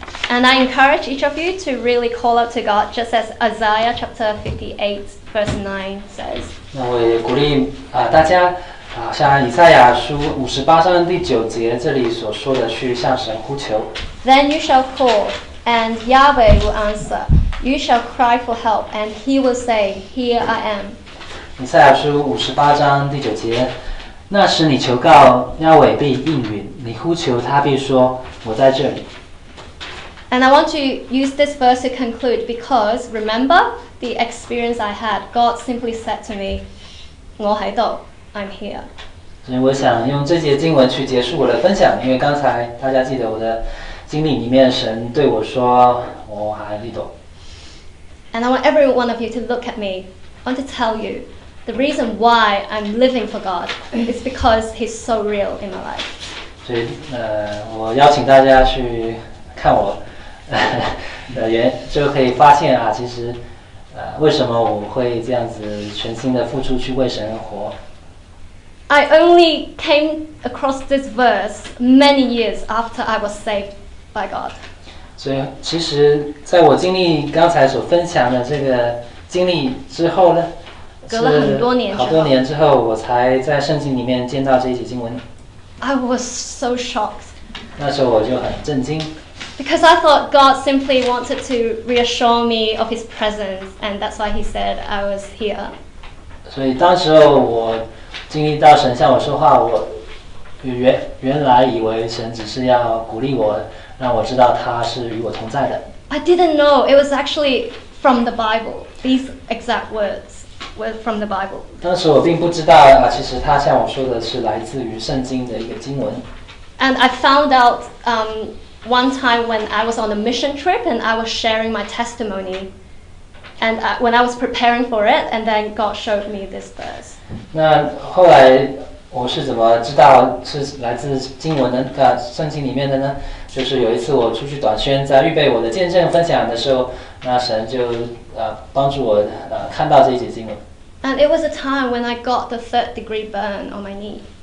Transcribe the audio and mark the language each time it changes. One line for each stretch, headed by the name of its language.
English: And I encourage each of you to really call out to God, just as Isaiah chapter 58, verse 9 says.
Chinese: 那我也鼓励大家，像以赛亚书58:9这里所说的，去向神呼求。
English: Then you shall call, and Yahweh will answer. You shall cry for help, and He will say, "Here I am."
Chinese: 以赛亚书58:9，那时你求告亚伟必应允，你呼求他必说，我在这里。
English: And I want to use this verse to conclude because remember the experience I had. God simply said to me,
Chinese: 我在这里
English: I'm here.
Chinese: 所以我想用这节经文去结束我的分享，因为刚才大家记得我的经历里面，神对我说，我在这里。
English: And I want every one of you to look at me. I want to tell you, the reason why I'm living for God is because He's so real in my life.
Chinese: 所以，我邀请大家去看我的原，就可以发现啊，其实，为什么我会这样子全心的付出去为神而活。
English: I only came across this verse many years after I was saved by God.
Chinese: 所以，其实在我经历刚才所分享的这个经历之后呢，隔了很多年之后，好多年之后，我才在圣经里面见到这一节经文。
English: I was so shocked.
Chinese: 那时候我就很震惊。
English: Because I thought God simply wanted to reassure me of His presence, and that's why He said I was here.
Chinese: 所以当时候我经历到神向我说话，我原来以为神只是要鼓励我，让我知道他是与我同在的。
English: I didn't know it was actually. From the Bible, these exact words were from the Bible.
Chinese: 当时我并不知道啊，其实他向我说的是来自于圣经的一个经文。
English: And I found out one time when I was on a mission trip and I was sharing my testimony, and when I was preparing for it, and then God showed me this verse.
Chinese: 那后来我是怎么知道是来自经文的啊圣经里面的呢？就是有一次我出去短宣，在预备我的见证分享的时候，那神就帮助我看到这一节经文。
English: And it was a time when I got the third degree burn on my knee.